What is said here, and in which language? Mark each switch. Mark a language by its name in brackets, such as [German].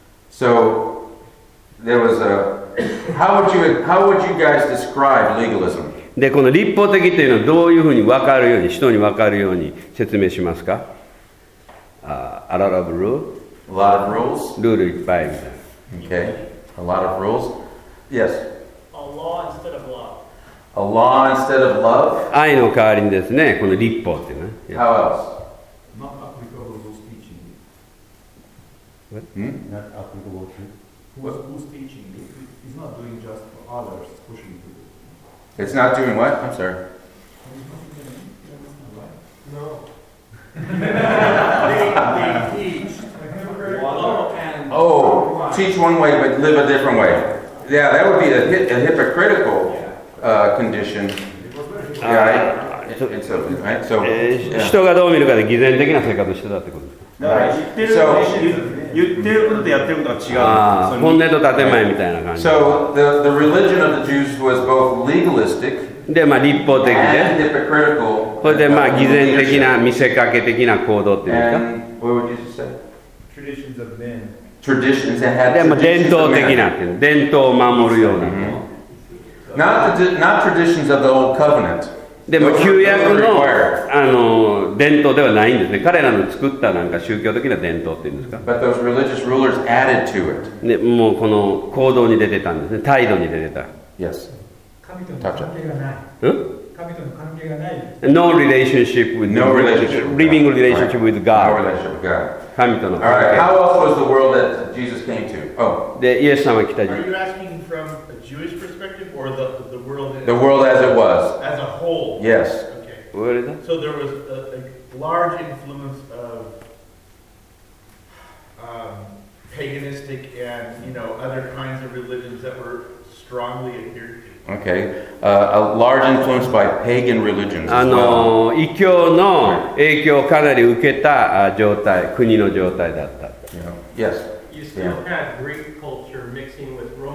[English] So there was a how would you guys describe legalism? [Japanese] で、この立法的というのはどういうふうに分かるように、人に分かるように説明しますか？ [English] A lot of rules? A lot of rules? [Japanese] ルールいっぱいみたいな。 [English] Okay. A lot of rules? Yes. A law instead of love. A law instead of love? [Japanese] 愛の代わりにですね、この立法っていうの [English] は。Yeah. How else? Not applicable to teaching. What? Not applicable to? Who's teaching? It's not doing just for others, pushing people. It's not doing what? I'm sorry. No. they teach. Oh, teach one way but live a different way. Yeah, that would be a hypocritical condition. Right? So, [Japanese] 人がどう見るかで偽善的な生活をしてたってことですか？言ってることとやってることが違う。本音と建前みたいな感じ。 [English] So the religion of the Jews was both legalistic [Japanese] で、まあ、立法的で、 [English] and hypocritical [Japanese] それで、まあ、偽善的な見せかけ的な行動っていうか。 [English] And what would you say? Traditions of men. Traditions that had [Japanese] で、まあ、伝統的なっていう。伝統を守るような。Mm-hmm. [English] Not traditions of the old covenant. [Japanese] でも旧約 の伝統ではないんですね。彼らの作ったなんか宗教的な伝統っていうんですか。 [English] But those religious rulers added to it. [Japanese] でもうこの行動に出てたんですね。態度に出てた。 [English] Yes. [Japanese] 神との関係がない。神との関係がない。 [English] No relationship with no relationship living relationship with God. No relationship with God. [Japanese] 神との関係。 [English] All right. How else was the world that Jesus came to? Oh. [Japanese] でイエス様が来た。 [English] Are you asking from a Jewish perspective or the world? The world as it was. Whole. Yes. Okay. What is that? So there was a large influence of paganistic and you know other kinds of religions that were strongly adhered to. Okay. A large influence by pagan religions. As well. [Japanese] 異教の影響をかなり受けた状態、国の状態だった。 [English] Yeah. Yes. You still had Greek culture mixing with.